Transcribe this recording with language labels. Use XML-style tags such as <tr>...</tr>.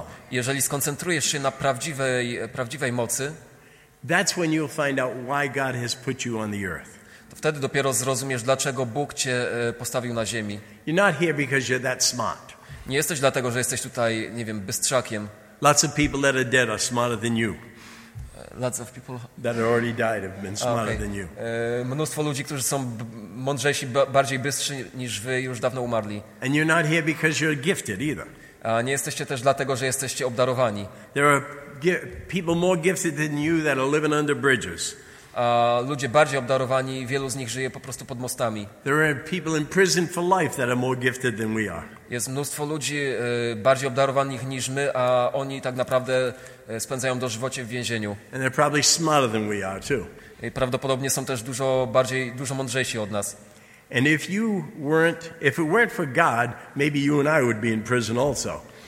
<pl>Jeżeli skoncentrujesz się na prawdziwej mocy,</pl> <en>that's when you'll find out why God has put you on the earth.</en> <pl>To wtedy dopiero zrozumiesz, dlaczego Bóg cię postawił na ziemi.</pl> <en>You're not here because you're that smart.</en> <pl>Nie jesteś dlatego, że jesteś tutaj, nie wiem, bystrzakiem.</pl> <en>Lots of people that are dead are smarter than you. Lots of people that are already died have been smarter than you.</en> <pl>Mnóstwo ludzi, którzy są mądrzejsi, bardziej bystrzy niż wy, już dawno umarli.</pl> <en>And you're not here because you're gifted either.</en> <pl>A nie jesteście też dlatego, że jesteście obdarowani.</pl> <en>There are people more gifted than you that are living under bridges.</en> <pl>A ludzie bardziej obdarowani, wielu z nich żyje po prostu pod mostami.</pl> <en>There are people in prison for life that are more gifted than we are.</en> <pl>Jest mnóstwo ludzi bardziej obdarowanych niż my, a oni tak naprawdę spędzają dożywocie w więzieniu.</pl> <en>And they're probably smarter than we are too.</en> <pl>I prawdopodobnie są też dużo mądrzejsi od nas.</pl> <en>And if it weren't for God, maybe you and I would be in prison also.</en>